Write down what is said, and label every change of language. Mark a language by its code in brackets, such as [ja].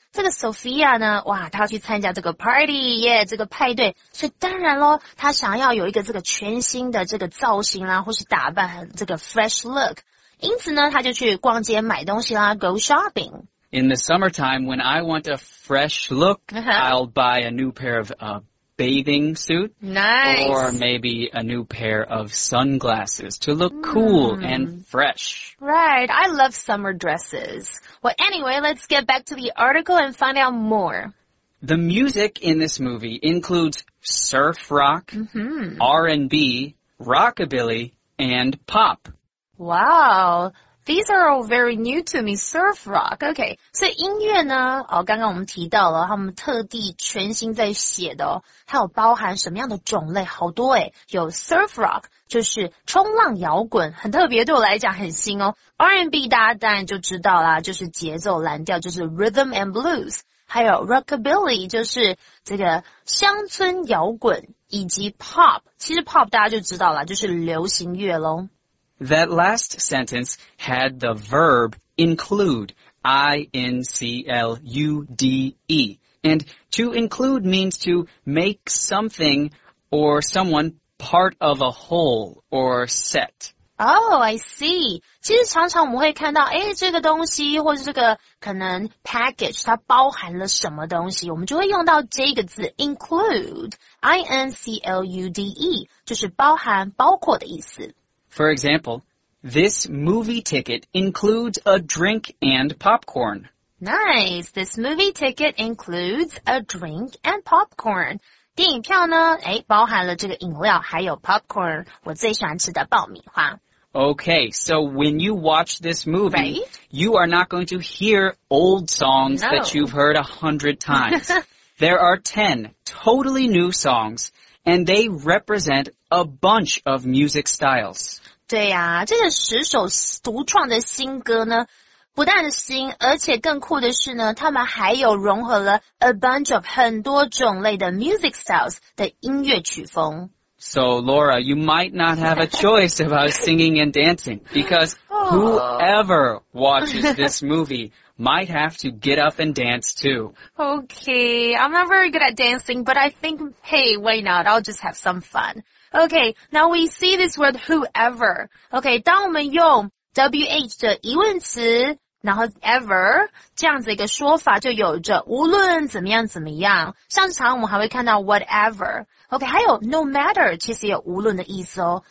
[zh] 这个 Sophia 呢，哇，她要去参加这个 party, yeah, 这个派对，所以当然咯，她想要有一个这个全新的这个造型啦，或是打扮，这个 fresh look. 因此呢，她就去逛街买东西啦， go shopping. [en] In the summertime, when I want a fresh look, I'll buy a new pair of bathing suit. Nice. Or maybe a new pair of sunglasses to look cool and fresh. Right. I love summer dresses. Well, anyway, let's get back to the article and find out more. The music in this movie includes surf rock, R&B, rockabilly, and pop. Wow. These are all very new to me, surf rock. [zh] Okay, so 音乐呢，哦，刚刚我们提到了他们特地全新在写的哦，它有包含什么样的种类？好多诶，有 surf rock, 就是冲浪摇滚，很特别，对我来讲很新哦。 R&B 大家当然就知道啦，就是节奏蓝调，就是 rhythm and blues, 还有 rockabilly, 就是这个乡村摇滚，以及 pop, 其实 pop 大家就知道啦，就是流行乐咯。 [en] That last sentence had the verb include, I-N-C-L-U-D-E. And to include means to make something or someone part of a whole or set. Oh, I see. [zh] 其实常常我们会看到，哎，这个东西或是这个可能 package 它包含了什么东西，我们就会用到这个字 include, include, 就是包含包括的意思。 [en] For example,This movie ticket includes a drink and popcorn. Nice! This movie ticket includes a drink and popcorn. [zh] 电影票呢，诶，包含了这个饮料还有 popcorn, 我最喜欢吃的爆米花。 [en] Okay, so when you watch this movie, right? You are not going to hear old songs No. that you've heard 100 times. There are 10 totally new songs, and they represent a bunch of music styles. [zh] 对呀、啊、这个十首独创的新歌呢不但新而且更酷的是呢他们还有融合了 [en] a bunch of [zh] 很多种类的 music styles 的音乐曲风。 [en] So, Laura, you might not have a choice about singing and dancing, because whoever watches this movie might have to get up and dance too. Okay, I'm not very good at dancing, but I think, hey, why not? I'll just have some fun. Okay, now we see this word whoever. [zh] Okay, 当我们用 WH 的疑问词然后 ever, 这样子一个说法就有着无论怎么样怎么样。像常我们还会看到 whatever. Okay, 还有 no matter, 其实有无论的意思哦。